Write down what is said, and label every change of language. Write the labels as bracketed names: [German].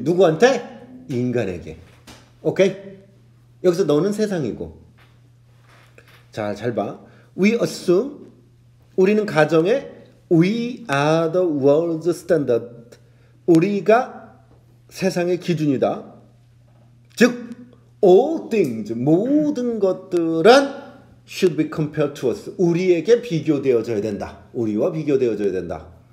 [Korean] 누구한테? 인간에게. 오케이? 여기서 너는 세상이고. 자, 잘 봐. [English] We assume, [Korean] 우리는 가정에 [English] We are the world's standard. [Korean] 우리가 세상의 기준이다. [English] 즉, all things, [Korean] 모든 것들은 [English] should be compared to us. [Korean] 우리에게 비교되어져야 된다. 우리와 비교되어져야 된다.